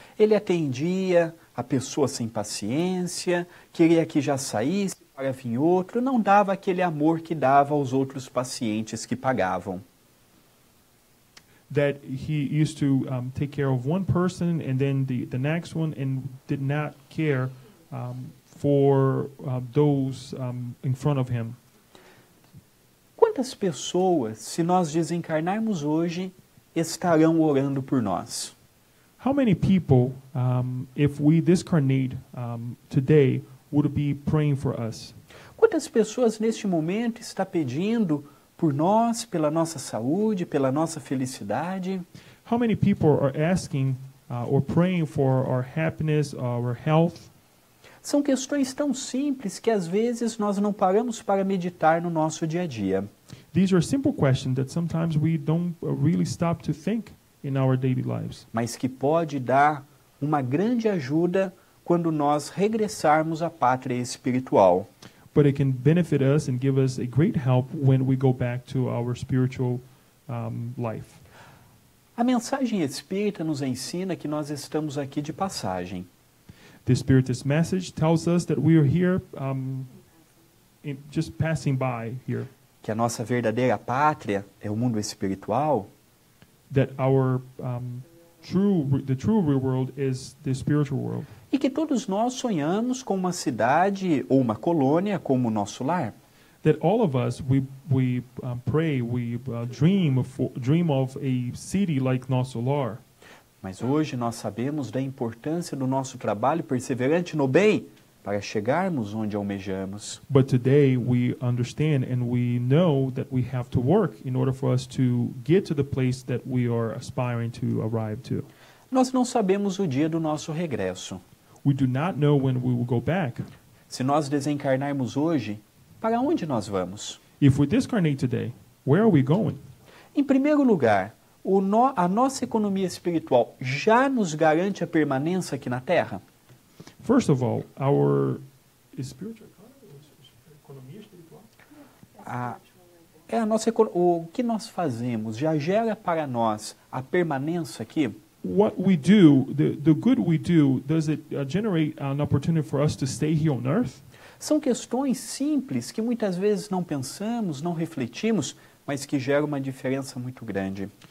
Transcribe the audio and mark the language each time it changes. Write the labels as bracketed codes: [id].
[pt] Ele atendia a pessoa sem paciência, queria que já saísse. Para vir outro, não dava aquele amor que dava aos outros pacientes que pagavam. [en] That he used to take care of one person and then the next one and did not care for those in front of him. [pt] Quantas pessoas, se nós desencarnarmos hoje, estarão orando por nós? [en] How many people, if we discarnate today, would be praying for us? [pt] Quantas pessoas neste momento está pedindo por nós, pela nossa saúde, pela nossa felicidade? [en] How many people are asking or praying for our happiness, our health? [pt] São questões tão simples que às vezes nós não paramos para meditar no nosso dia a dia. [en] These are simple questions that sometimes we don't really stop to think in our daily lives. [pt] Mas que pode dar uma grande ajuda quando nós regressarmos à pátria espiritual. [en] But it can benefit us and give us a great help when we go back to our spiritual life. [pt] A mensagem espírita nos ensina que nós estamos aqui de passagem. [en] The Spiritist message tells us that we are here just passing by here. [pt] Que a nossa verdadeira pátria é o mundo espiritual. [en] That our the true real world is the spiritual world. [pt] E que todos nós sonhamos com uma cidade ou uma colônia como o nosso lar. [en] That all of us we dream of a city like nosso lar. [pt] Mas hoje nós sabemos da importância do nosso trabalho perseverante no bem para chegarmos onde almejamos. [en] But today we understand and we know that we have to work in order for us to get to the place that we are aspiring to arrive to. [pt] Nós não sabemos o dia do nosso regresso. [en] We do not know when we will go back. [pt] Se nós desencarnarmos hoje, para onde nós vamos? [en] If we discarnate today, where are we going? [pt] Em primeiro lugar, a nossa economia espiritual já nos garante a permanência aqui na Terra? [en] First of all, our spiritual economy, [pt] economia espiritual? O que nós fazemos já gera para nós a permanência aqui? [en] What we do, the good we do, does it generate an opportunity for us to stay here on earth? [pt] São questões simples que muitas vezes não pensamos, não refletimos, mas que geram uma diferença muito grande.